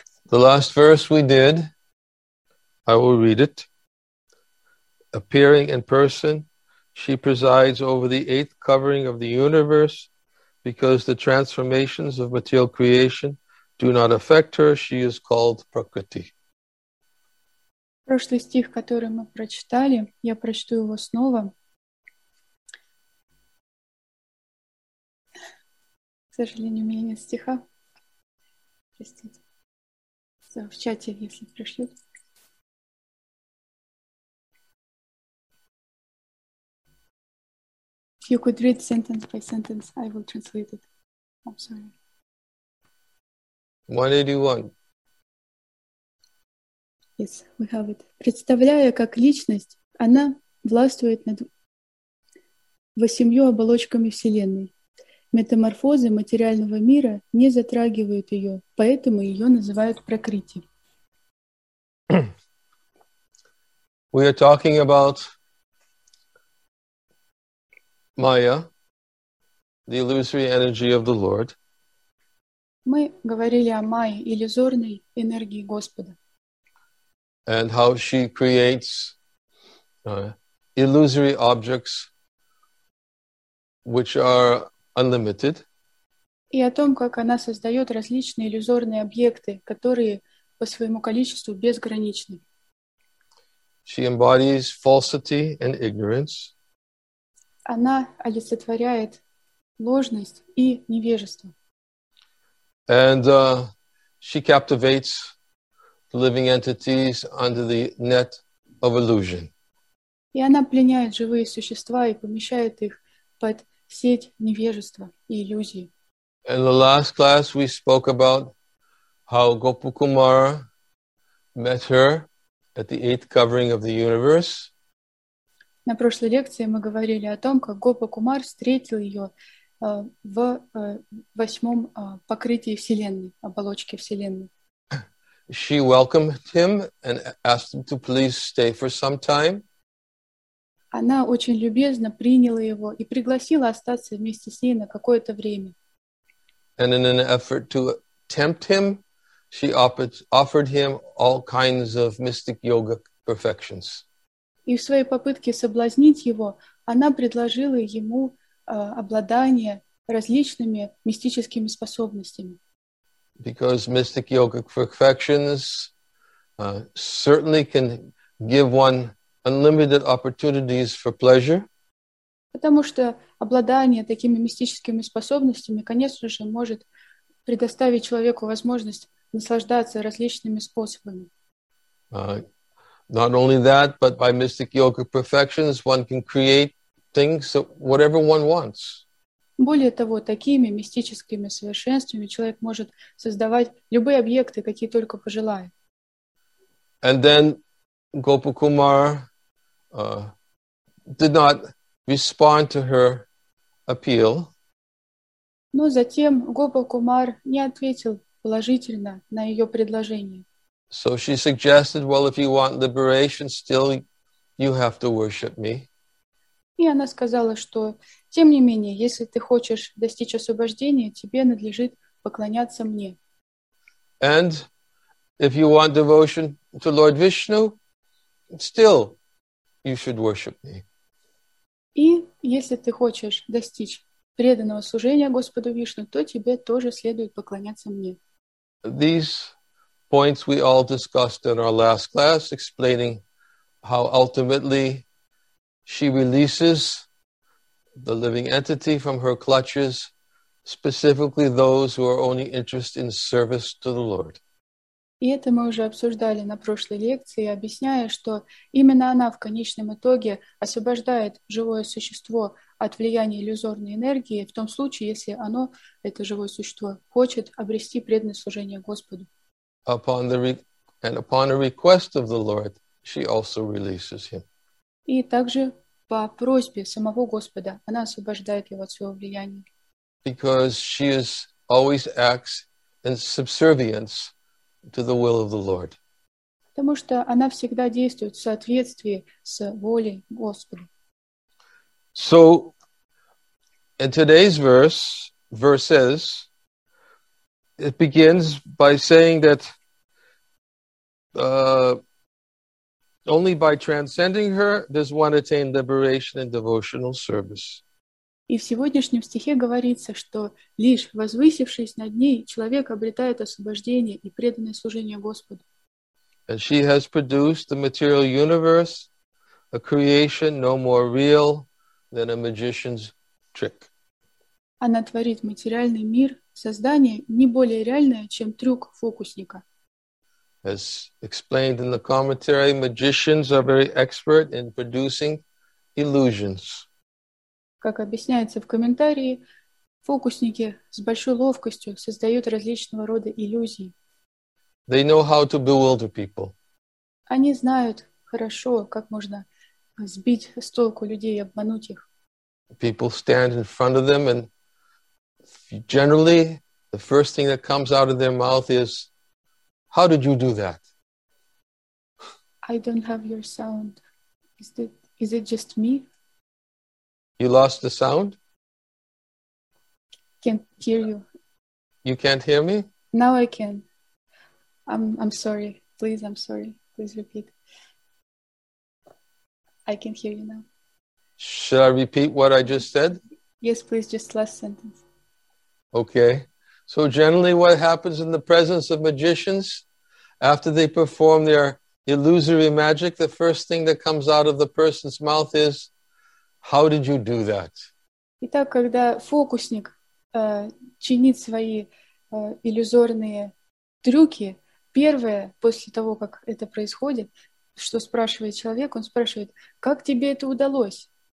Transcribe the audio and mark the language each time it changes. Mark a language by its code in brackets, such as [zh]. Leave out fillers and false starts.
[en] The last verse we did, I will read it. Appearing in person, she presides over the eighth covering of the universe. Because the transformations of material creation do not affect her, she is called Prakriti. [ru] Прошлый стих, который мы прочитали, я прочту его снова. К сожалению, у меня нет стиха. Простите. Все, в чате, если пришлют. [en] you could read sentence by sentence, I will translate it. I'm sorry. 181. Yes, we have it. [ru] Представляя как личность, она властвует над восемью оболочками Вселенной. Метаморфозы материального мира не затрагивают ее, поэтому ее называют Пракрити. [en] We are talking about Maya, the illusory energy of the Lord. [ru] Мы говорили о Майе, иллюзорной энергии Господа. [en] And how she creates illusory objects which are unlimited. [ru] И о том, как она создает различные иллюзорные объекты, которые по своему количеству безграничны. [en] She embodies falsity and ignorance. [ru] Она олицетворяет ложность и невежество. [en] And she captivates the living entities under the net of illusion. [ru] И она пленяет живые существа и помещает их под сеть невежества и иллюзии. [en] In the last class we spoke about how Gopukumara met her at the eighth covering of the universe. [ru] На прошлой лекции мы говорили о том, как Гопакумар встретил ее в восьмом покрытии Вселенной, оболочке Вселенной. [en] She welcomed him and asked him to please stay for some time. [ru] Она очень любезно приняла его и пригласила остаться вместе с ней на какое-то время. [en] And in an effort to tempt him, she offered him all kinds of mystic yoga perfections. [ru] И в своей попытке соблазнить его, она предложила ему обладание различными мистическими способностями. [en] Because mystic yoga perfections certainly can give one unlimited opportunities for pleasure. [ru] Потому что обладание такими мистическими способностями, конечно же, может предоставить человеку возможность наслаждаться различными способами. [en] Not only that, but by mystic yoga perfections, one can create things whatever one wants. [ru] Более того, такими мистическими совершенствами человек может создавать любые объекты, какие только пожелает. [en] And then Gopakumara did not respond to her appeal. [ru] Но затем Гопакумар не ответил положительно на ее предложение. [en] So she suggested, well, if you want liberation, still you have to worship me. [ru] И она сказала, что, тем не менее, если ты хочешь достичь освобождения, тебе надлежит поклоняться мне. [en] And if you want devotion to Lord Vishnu, still you should worship me. [ru] И если ты хочешь достичь преданного служения Господу Вишну, то тебе тоже следует поклоняться мне. [en] These points we all discussed in our last class, explaining how ultimately she releases the living entity from her clutches, specifically those who are only interested in service to the Lord. [ru] И это мы уже обсуждали на прошлой лекции, объясняя, что именно она в конечном итоге освобождает живое существо от влияния иллюзорной энергии в том случае, если оно, это живое существо, хочет обрести преданное служение Господу. [en] Upon a request of the Lord, she also releases him. [ru] И также по просьбе самого Господа она освобождает его от своего влияния. [en] Because she is always acts in subservience to the will of the Lord. [ru] Потому что она всегда действует в соответствии с волей Господа. [en] So, in today's verses, it begins by saying that only by transcending her does one attain liberation and devotional service. [ru] И в сегодняшнем стихе говорится, что лишь возвысившись над ней, человек обретает освобождение и преданное служение Господу. [en] And she has produced the material universe, a creation no more real than a magician's trick. [ru] Она творит материальный мир, создание не более реальное, чем трюк фокусника. [en] As explained in the commentary, magicians are very expert in producing illusions. [ru] Как объясняется в комментарии, фокусники с большой ловкостью создают различного рода иллюзии. [en] They know how to bewilder people. [ru] Они знают хорошо, как можно сбить с толку людей и обмануть их. [en] People stand in front of them, and generally the first thing that comes out of their mouth is, "How did you do that?" I don't have your sound. Is it just me? You lost the sound? Can't hear you. You can't hear me? Now I can. I'm sorry. Please, I'm sorry. Please repeat. I can hear you now. Should I repeat what I just said? Yes, please, just last sentence. Okay. So generally what happens in the presence of magicians, after they perform their illusory magic, the first thing that comes out of the person's mouth is, "How did you do that?" [ru] Итак, когда фокусник чинит свои иллюзорные трюки, первое, после того, как это происходит, что спрашивает человек, он спрашивает, как тебе это удалось?